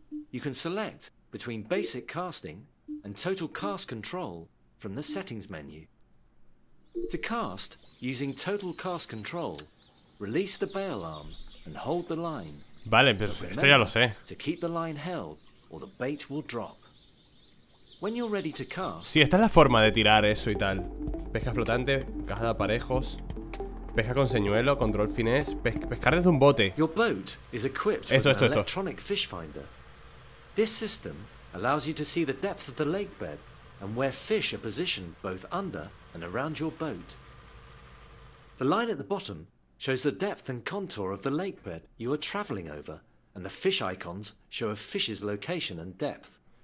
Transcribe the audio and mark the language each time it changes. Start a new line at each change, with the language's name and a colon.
English: You can select between basic casting and total cast control from the settings menu. To cast using total cast control, release the bail arm and hold the line.
Spanish: Vale, pero esto ya lo sé.
English: To keep the line held or the bait will drop. When you're ready to cast.
Spanish: Sí, esta es la forma de tirar eso y tal. Pesca flotante, caja de aparejos, pesca con señuelo, control finés, pescar desde un bote.
English: Your boat is equipped
Spanish: esto,
English: with an
Spanish: esto,
English: electronic
Spanish: esto.
English: Fish finder. This system allows you to see the depth of the lake bed and where fish are positioned both under and around your boat. The line at the bottom shows the depth and contour of the lake bed you are traveling over, and the fish icons show a fish's location and depth.